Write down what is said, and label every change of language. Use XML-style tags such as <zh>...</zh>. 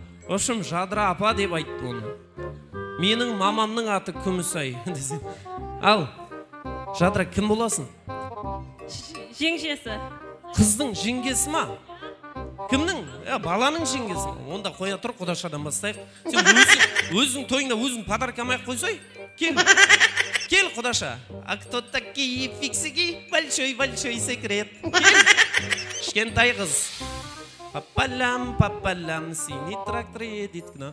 <kk>Ошым жадра апа деп айтты оны. Менің мамамның аты Күмісай. Ал, жадра кім боласың? Женгесі. Қыздың женгесі ма? Кімнің? Е, баланың женгесі. Онда қоя тұр, құдашадан бастайық. Сен өзің тойында өзің подаркамайық қойсай. Кел. Кел, құдаша.</kk> <ru>А кто такие фиксики? Большой-большой секрет.</ru> <kk>Кішкентай қыз.</kk> <ru>Папалам, папалам, синий трактор едет к нам.</ru>